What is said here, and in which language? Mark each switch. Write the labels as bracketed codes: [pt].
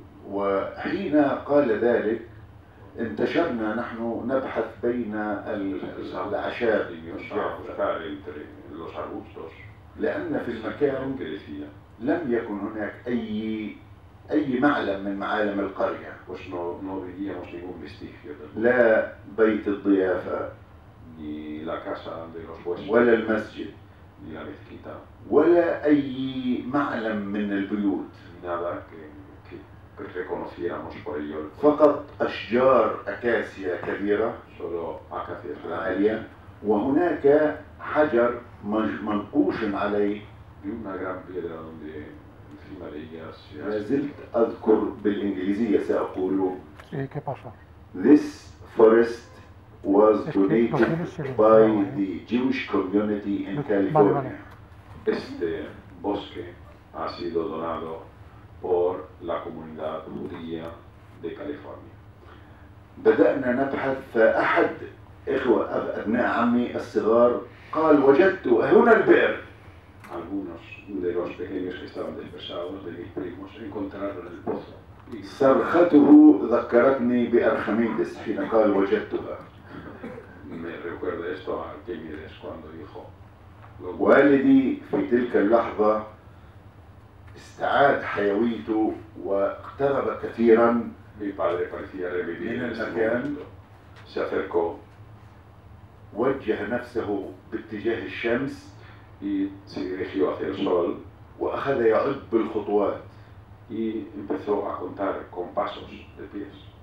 [ar] وحين قال ذلك انتشرنا نحن نبحث بين الأعشاب [es] entre los arbustos [ar] لأن في المكان لم يكن هناك أي معلم من معالم القرية. [es] Pues no veíamos ningún vestigio. [ar] لا بيت الضيافة. [es] Ni la casa de los huéspedes. [ar] ولا المسجد. [es] Ni la mezquita. [ar] ولا أي معلم من البيوت. [es] Nada que reconociéramos por ello. [ar] فقط أشجار أكاسيا كبيرة. [es] Solo acacias grandes. [ar] عالية. وهناك حجر منقوش عليه. [es] Y una gran piedra donde [ar] ما زلت أذكر بالإنجليزية سأقول. إيه كيفاش؟ [en] This forest was donated by the Jewish community in California. [es] Este bosque ha sido donado por la comunidad judía de California. [ar] بدأنا نبحث فأحد إخوة أبناء عمي الصغار قال وجدت هنا البئر. [es] Algunos de los pequeños que estaban dispersados de mis primos encontraron el pozo. [ar] صرخته ذكرتني بأرخميدس حين قال وجدتها. [es] Me recuerda esto a Arquímedes cuando dijo. [ar] والدي في تلك اللحظة استعاد حيويته واقترب كثيرا. [es] Mi padre parecía revivir en ese momento. Se acercó. [ar] وجه نفسه باتجاه الشمس. [es] Y se dirigió hacia el sol [ar] وأخذ يعد بالخطوات [es] y empezó a contar con pasos de pies